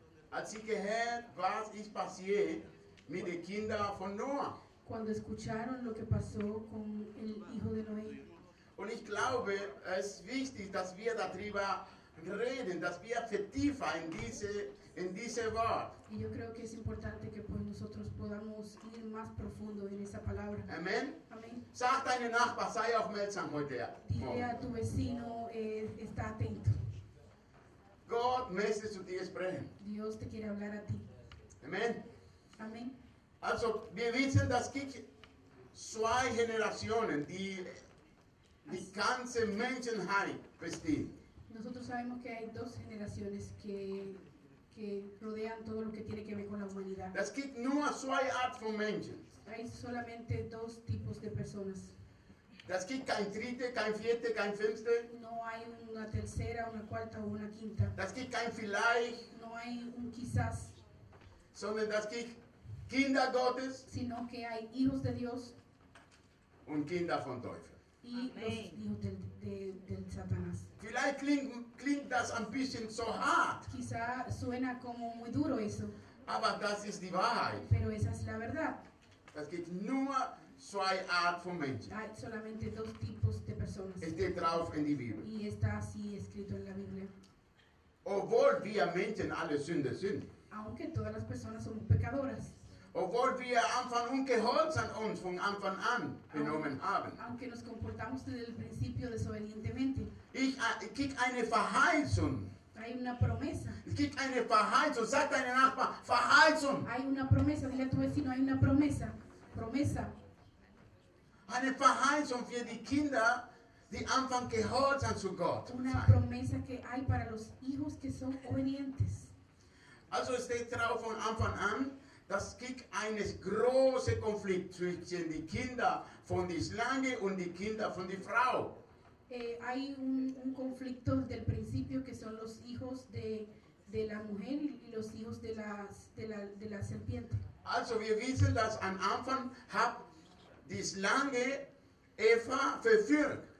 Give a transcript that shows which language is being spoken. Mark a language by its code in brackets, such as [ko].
[de] Als sie gehört, was ist passiert mit den Kindern von Noah. [es] Cuando escucharon lo que pasó con el hijo de Noé. [de] Und ich glaube, es ist wichtig, dass wir darüber reden, dass wir vertiefen in diese Wort. [es] Y yo creo que es importante que pues nosotros podamos ir más profundo en esa palabra. [de] Amen. [es] Amen. [de] Sag deinem Nachbar, sei aufmerksam heute. [es] Dile a tu vecino, está atento. [de] Gott möchte zu dir sprechen. [es] Dios te quiere hablar a ti. [de] Amen. [es] Amen. [de] Also, wir wissen, dass es gibt zwei Generationen, die ganze Menschheit bestehen. [es] Nosotros sabemos que hay dos generaciones que rodean todo lo que tiene que ver con la humanidad. [de] Es gibt nur zwei Arten von Menschen. [es] Hay solamente dos tipos de personas. [de] Es gibt kein dritte, kein vierte, kein fünfte. [es] No hay una tercera, una cuarta o una quinta. [de] Es gibt kein vielleicht. [es] No hay un quizás. [de] Sondern es gibt Kinder Gottes, [es] sino que hay hijos de Dios [de] und Kinder von Teufel. [es] Y los hijos del Satanás. [de] Vielleicht klingt das ein bisschen so hart. [es] Quizá suena como muy duro eso. [de] Aber das ist die Wahrheit. [es] Pero esa es la verdad. [de] Es gibt nur zwei Arten von Menschen. [es] Hay solamente dos tipos de personas. [de] Steht drauf in die Bibel. [es] Y está así escrito en la Biblia. [de] Obwohl wir Menschen alle Sünder sind. [es] aunque todas las personas son pecadoras. [de] Obwohl wir Anfang ungehorsam uns von Anfang an benommen haben. [es] Aunque nos comportamos desde el principio desobedientemente. [de] Ich krieg eine Verheißung. [es] Hay una promesa. [de] Es gibt eine Verheißung. Sag deinem Nachbar, Verheißung. [es] Hay una promesa. Dile a tu vecino, hay una promesa. Promesa. [de] Eine Verheißung für die Kinder, die anfangen gehorsam zu Gott. [es] Una promesa que hay para los hijos que son obedientes. [de] Also es steht drauf von Anfang an, dass es gibt einen großen Konflikt zwischen den Kindern von der Schlange und den Kindern von der Frau. [es] Hay un conflicto desde el principio que son los hijos de la mujer y los hijos de la serpiente. [de] Also wir wissen, dass am Anfang hat die Schlange Eva verführt.